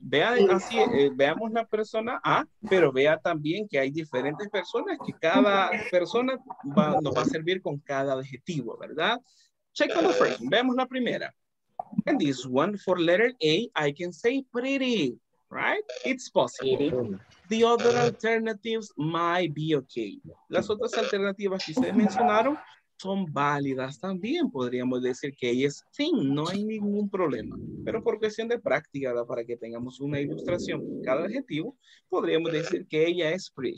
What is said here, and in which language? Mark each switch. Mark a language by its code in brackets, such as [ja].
[es] Veamos la persona A, pero vea también que hay diferentes personas, que cada persona nos va a servir con cada adjetivo, ¿verdad? [en] Check on the first. [es] Veamos la primera. [en] And this one for letter A, I can say pretty, right? It's possible. The other alternatives might be okay. [es] Las otras alternativas que ustedes mencionaron son válidas también. Podríamos decir que ella es thin, no hay ningún problema. Pero por cuestión de práctica, ¿verdad? Para que tengamos una ilustración con cada adjetivo, podríamos decir que ella es pretty.